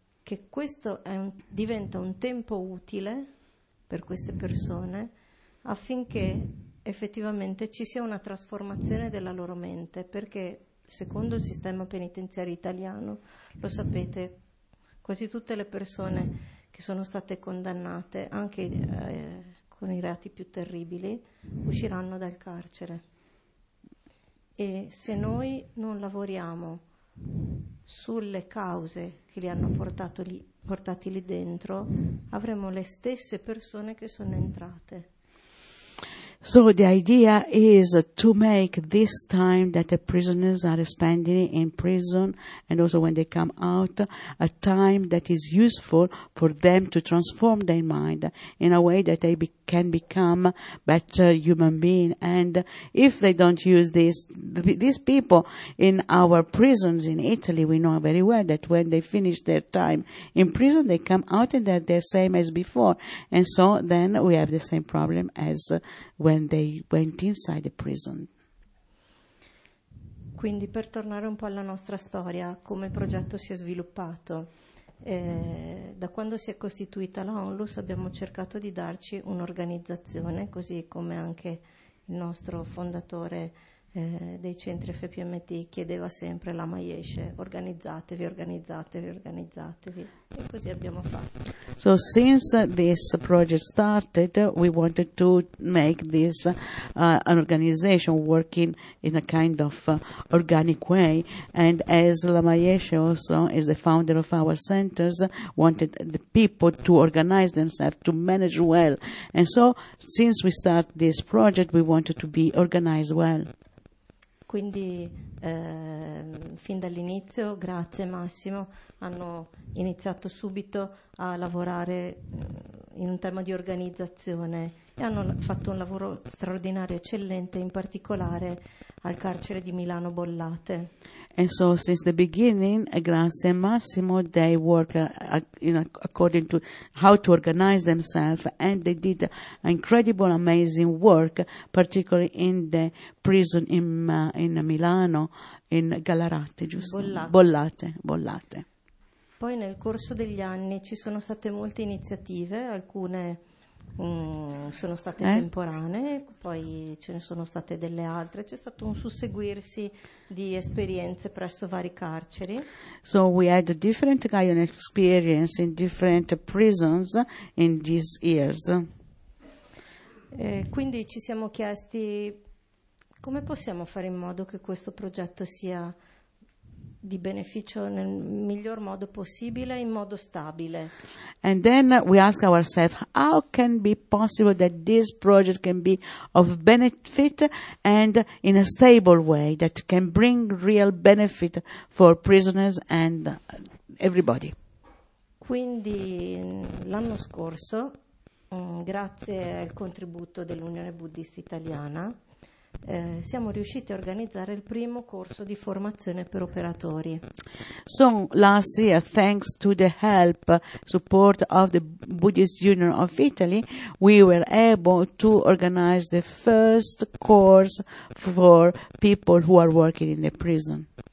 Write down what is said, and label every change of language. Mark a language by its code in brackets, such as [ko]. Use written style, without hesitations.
[it] Che questo diventa un tempo utile per queste persone affinché effettivamente ci sia una trasformazione della loro mente, perché secondo il sistema penitenziario italiano, lo sapete, quasi tutte le persone che sono state condannate, anche con i reati più terribili, usciranno dal carcere. E se noi non lavoriamo sulle cause che li hanno portati lì dentro, avremo le stesse persone che sono entrate. [en] So the idea is to make this time that the prisoners are spending in prison and also when they come out a time that is useful for them to transform their mind in a way that they can become better human being. And if they don't use these people in our prisons in Italy, we know very well that when they finish their time in prison, they come out and they're the same as before. And so then we have the same problem as when they went inside the prison. [it] Quindi, per tornare un po' alla nostra storia, come il progetto si è sviluppato. Da quando si è costituita la ONLUS abbiamo cercato di darci un'organizzazione, così come anche il nostro fondatore dei centri FPMT chiedeva sempre la Maiesce: organizzatevi, organizzatevi, organizzatevi. E così abbiamo fatto. [en] So since this project started, we wanted to make this an organization working in a kind of organic way. And as La Maiesce also is the founder of our centers, wanted the people to organize themselves, to manage well. And so since we start this project, we wanted to be organized well. [it] Quindi fin dall'inizio, grazie Massimo, hanno iniziato subito a lavorare in un tema di organizzazione e hanno fatto un lavoro straordinario, eccellente, in particolare al carcere di Milano Bollate. [en] And so since the beginning, Grazia and Massimo, they work according to how to organize themselves, and they did incredible, amazing work, particularly in the prison in Milano, in Gallarate, giusto? [it] Bollate. Poi nel corso degli anni ci sono state molte iniziative, alcune Sono state temporanee, poi ce ne sono state delle altre. C'è stato un susseguirsi di esperienze presso vari carceri. [en] So we had a different kind of experience in different prisons in these years. [it] Quindi ci siamo chiesti come possiamo fare in modo che questo progetto sia di beneficio nel miglior modo possibile, in modo stabile. [en] And then we ask ourselves, how can be possible that this project can be of benefit and in a stable way that can bring real benefit for prisoners and everybody. [it] Quindi l'anno scorso, grazie al contributo dell'Unione Buddista Italiana, siamo riusciti a organizzare il primo corso di formazione per operatori. [en] So last year, thanks to the help support of the Buddhist Union of Italy, we were able to organize the first course for people who are working in the prison.